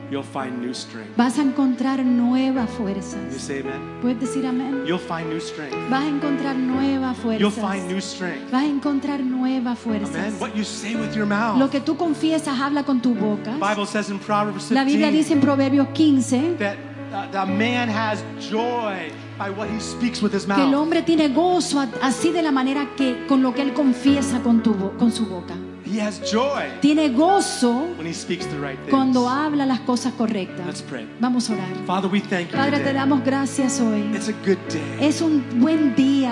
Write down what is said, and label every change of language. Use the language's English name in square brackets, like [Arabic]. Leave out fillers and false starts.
[English] you'll find new strength. [Spanish] Vas a encontrar nuevas fuerzas. [English] You say amen? [Spanish] ¿Puedes decir amén? [English] You'll find new strength. [Spanish] Vas a encontrar nuevas fuerzas. [English] You'll find new strength. [Spanish] Vas a encontrar nuevas fuerzas. [English] Amen? What you say with your mouth. [Spanish] Lo que tú confiesas habla con tu boca. [English] The Bible says in Proverbs 15, [Spanish] la Biblia dice en Proverbios 15 [English] that the man has joy by what he speaks with his mouth. [Spanish] El hombre tiene gozo así de la manera que con lo que él confiesa con su boca. [English] He has joy. [Spanish] Tiene gozo [English] when he speaks the right things. [Spanish] Cuando habla las cosas correctas. [English] Let's pray. [Spanish] Vamos a orar. [English] Father, we thank you. [Spanish] Padre, Te damos gracias hoy. [English] It's a good day. [Spanish] Es un buen día,